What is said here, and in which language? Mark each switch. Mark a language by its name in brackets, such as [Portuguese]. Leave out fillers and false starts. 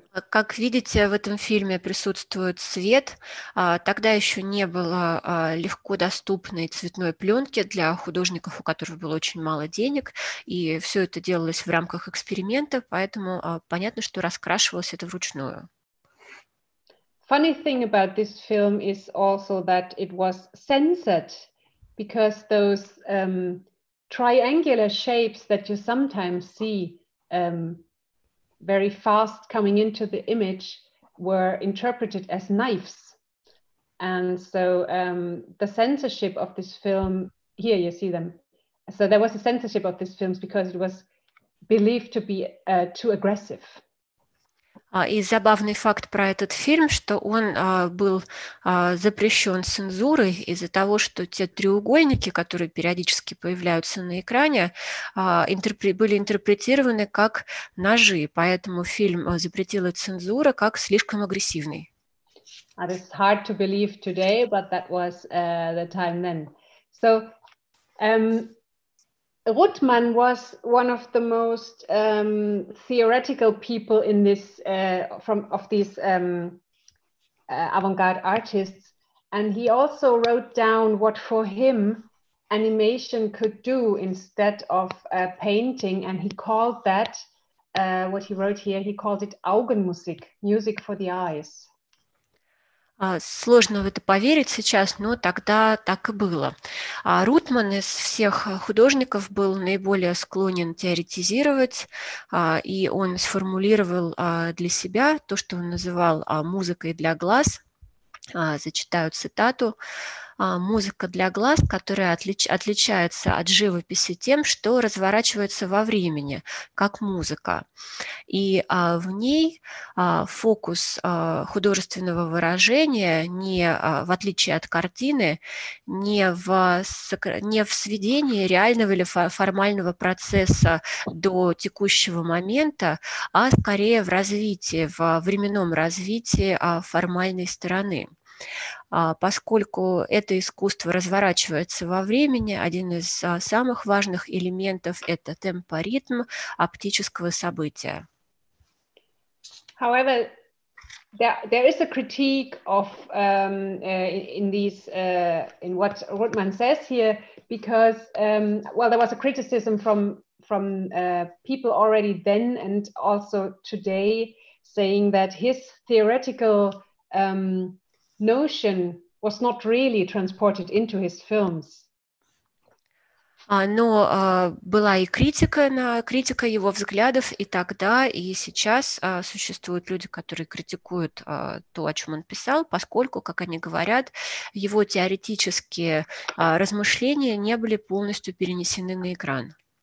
[Russian] Как видите, в этом фильме присутствует свет. Тогда еще не было легко доступной цветной пленки для художников, у которых было очень мало денег, и все это делалось в рамках эксперимента, поэтому понятно, что раскрашивалось это вручную. [English] Funny thing about this film is also that it was censored, because those triangular shapes that you sometimes see very fast coming into the image were interpreted as knives. And so the censorship of this film, here you see them. So there was a censorship of this film because it was believed to be too aggressive. [Russian] И забавный факт про этот фильм, что он был запрещен цензурой из-за того, что те треугольники, которые периодически появляются на экране, были интерпретированы как ножи, поэтому фильм запретила цензура как слишком агрессивный. [English] It is hard to believe today, but that was the time then. So Ruttmann was one of the most theoretical people in this avant-garde artists, and he also wrote down what for him animation could do instead of painting, and he called that what he wrote here, he called it Augenmusik, music for the eyes. [Russian] Сложно в это поверить сейчас, но тогда так и было. А Рутман из всех художников был наиболее склонен теоретизировать, и он сформулировал для себя то, что он называл музыкой для глаз. Зачитаю цитату. «Музыка для глаз, которая отличается от живописи тем, что разворачивается во времени, как музыка. И в ней фокус художественного выражения, не в отличие от картины, не в сведении реального или формального процесса до текущего момента, а скорее в развитии, в временном развитии формальной стороны». Поскольку это искусство разворачивается во времени, один из самых важных элементов – это темпоритм оптического события. [English] However, there is a critique of in these in what Rutman says here, because well, there was a criticism from people already then and also today, saying that his theoretical notion was not really transported into his films. [Russian] Но была и критика его взглядов и тогда, и сейчас существуют люди, которые критикуют то, о чем он писал, поскольку, как они говорят, его теоретические размышления не были полностью перенесены на экран.